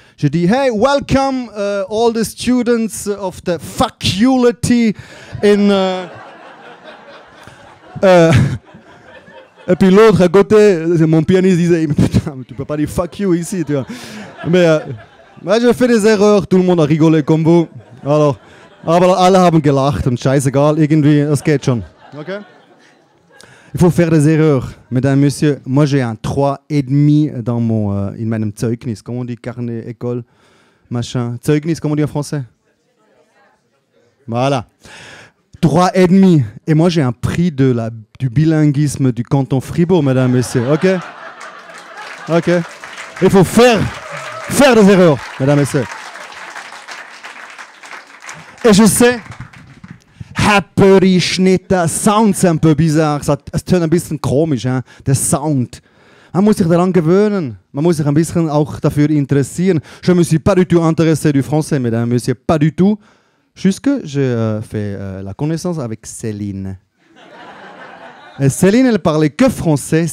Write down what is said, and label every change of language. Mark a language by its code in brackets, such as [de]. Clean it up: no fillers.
[fr] Je dis, [en] hey, welcome all the students of the faculty in. [fr] Et puis l'autre à côté, mon pianiste disait, putain, tu peux pas dire [en] fuck you [fr] ici, tu vois. Mais moi, j'ai fait des erreurs, tout le monde a rigolé comme vous. [de] Alors, alle haben gelacht, und scheißegal, irgendwie, das geht schon. [fr] Okay. Il faut faire des erreurs. Mesdames, messieurs, moi j'ai un 3,5 dans mon, [de] in meinem Zeugnis. [fr] Comment on dit carnet, école, machin. Zeugnis, comment on dit en français? Voilà. 3,5. Et moi j'ai un prix de du bilinguisme du canton Fribourg, mesdames, messieurs. Ok? Ok. Il faut faire des erreurs, mesdames, messieurs. Et je sais. Happy Schnitter Sound, c'est un peu bizarre. [de] Es tönt ein bisschen komisch, hein? Der Sound. Man muss sich daran gewöhnen. Man muss sich ein bisschen auch dafür interessieren. [fr] Je me suis pas du tout intéressé du français, mesdames, messieurs. Pas du tout. Jusque j'ai fait la connaissance avec Céline. Et Céline, elle parlait que français.